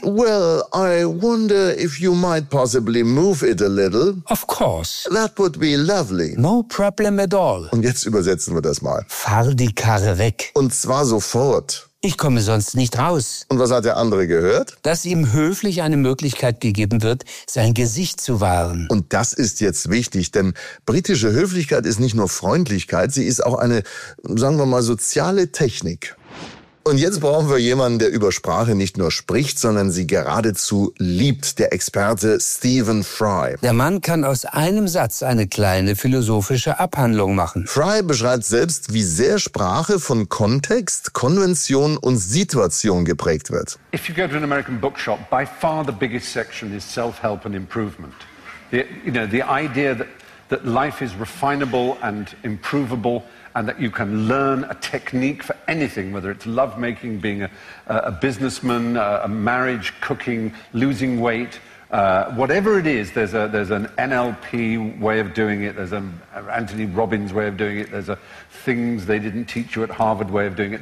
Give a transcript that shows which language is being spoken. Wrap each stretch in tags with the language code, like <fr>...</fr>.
<en>Well, I wonder if you might possibly move it a little. Of course. That would be lovely. No problem at all.</en> <de>Und jetzt übersetzen wir das mal. Fahr die Karre weg. Und zwar sofort. Ich komme sonst nicht raus. Und was hat der andere gehört? Dass ihm höflich eine Möglichkeit gegeben wird, sein Gesicht zu wahren. Und das ist jetzt wichtig, denn britische Höflichkeit ist nicht nur Freundlichkeit, sie ist auch eine, sagen wir mal, soziale Technik. Und jetzt brauchen wir jemanden, der über Sprache nicht nur spricht, sondern sie geradezu liebt, der Experte Stephen Fry. Der Mann kann aus einem Satz eine kleine philosophische Abhandlung machen. Fry beschreibt selbst, wie sehr Sprache von Kontext, Konvention und Situation geprägt wird.</de> <en>If you go to an American bookshop, by far the biggest section is self-help and improvement. The idea that life is refinable and improvable. And that you can learn a technique for anything, whether it's lovemaking, being a businessman, a marriage, cooking, losing weight, whatever it is, there's an NLP way of doing it, there's an Anthony Robbins way of doing it, there's a things they didn't teach you at Harvard way of doing it.</en>